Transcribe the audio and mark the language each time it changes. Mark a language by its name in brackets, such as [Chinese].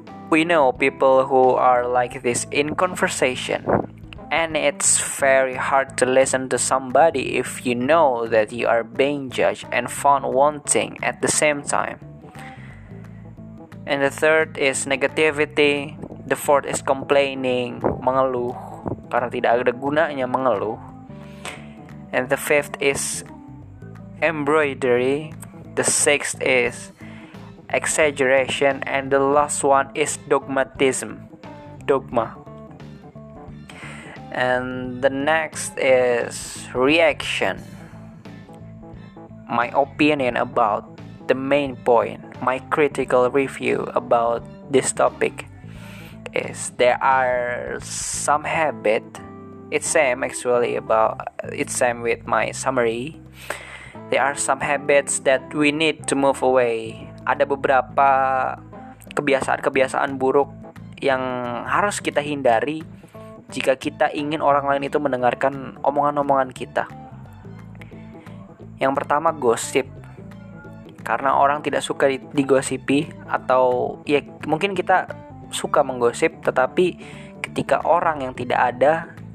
[English] We know people who are like this in conversation, and it's very hard to listen to somebody if you know that you are being judged and found wanting at the same time. And the third is negativity. The fourth is complaining, [Indonesian] mengeluh, karena tidak ada gunanya mengeluh. [English] And the fifth is embroidery. The sixth is exaggeration. And the last one is dogmatism. Dogma. And the next is reaction. My opinion about the main point, my critical review about this topic, is there are some habit. It's same actually about, it's same with my summary. There are some habits that we need to move away. [Indonesian] Ada beberapa kebiasaan-kebiasaan buruk yang harus kita hindari jika kita ingin orang lain itu mendengarkan omongan-omongan kita. Yang pertama, gosip. Karena orang tidak suka digosipi, atau ya mungkin kita suka menggosip, tetapi ketika orang yang tidak ada,